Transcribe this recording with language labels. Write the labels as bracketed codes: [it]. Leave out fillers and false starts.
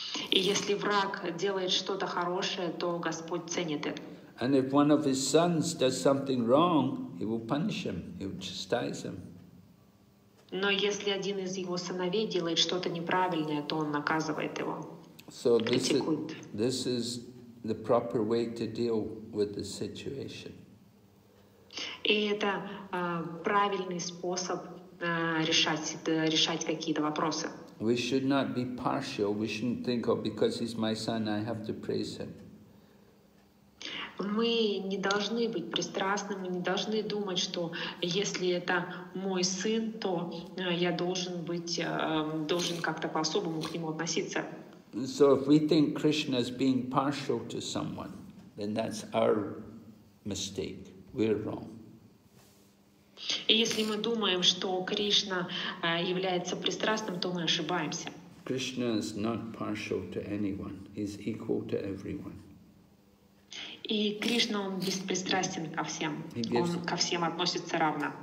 [ru] И если враг делает что-то хорошее, то Господь ценит это. [en] And if one of his sons does something wrong, he will punish him, he will chastise him. [ru] Но если один из его сыновей делает что-то неправильное, то он наказывает его, [en] so this [ru] критикует. [en] This is the proper way to deal with the situation. [ru] И это правильный способ решать какие-то вопросы. [en] We should not be partial. We shouldn't think, oh, because he's my son, I have to praise him. [ru] Мы не должны быть пристрастными, не должны думать, что если это мой сын, то я должен как-то по-особому к нему относиться. [en] So if we think Krishna is being partial to someone, then that's our mistake. We're wrong. [ru] И если мы думаем, что Кришна является пристрастным, то мы ошибаемся. [en] Krishna is not partial to anyone. He's equal to everyone. [ru] И Кришна, он беспристрастен ко всем. Он ко всем относится равно.